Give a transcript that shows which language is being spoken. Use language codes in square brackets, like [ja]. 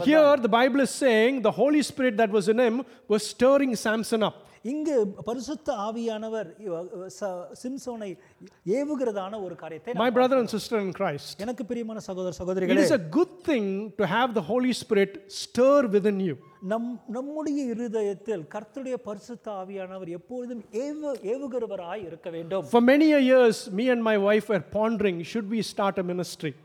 [en] And here the Bible is saying the Holy Spirit that was in him was stirring Samson up. [ta] இங்கு பரிசுத்த ஆவியானவர் சிம்சோனை ஏவுகிறதான ஒரு காரியத்தை, [en] My brother and sister in Christ, [ta] எனக்கு பிரியமான சகோதர சகோதரிகளே, [en] it is a good thing to have the Holy Spirit stir within you. [ta] நம்முடைய இருதயத்தில் கர்த்தருடைய பரிசுத்த ஆவியானவர் எப்பொழுதும் ஏவுகிறவராய் இருக்க வேண்டும். [en] For many years me and my wife were pondering, should we start a ministry?